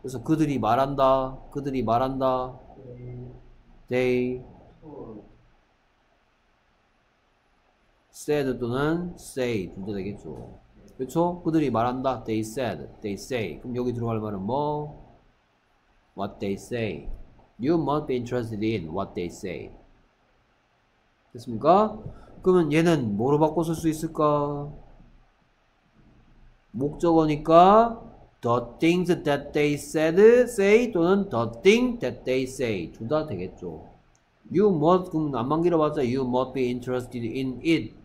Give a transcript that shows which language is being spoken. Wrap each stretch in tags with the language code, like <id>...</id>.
<ko>그래서 그들이 말한다. 그들이 말한다.</ko> <en>They</en> <ko>said 또는 say 둘 다 되겠죠. 그쵸? 그들이 말한다.</ko> <en>They said, they say.</en> <ko>그럼 여기 들어갈 말은 뭐?</ko> <en>What they say. You must be interested in what they say.</en> <ko>됐습니까? 그러면 얘는 뭐로 바꿔 쓸 수 있을까? 목적어니까 the things that they said say 또는 the thing that they say 둘 다 되겠죠.</ko> <en>You must,</en> <ko>그럼 안만 길어봤자</ko> <en>you must be interested in it.</en>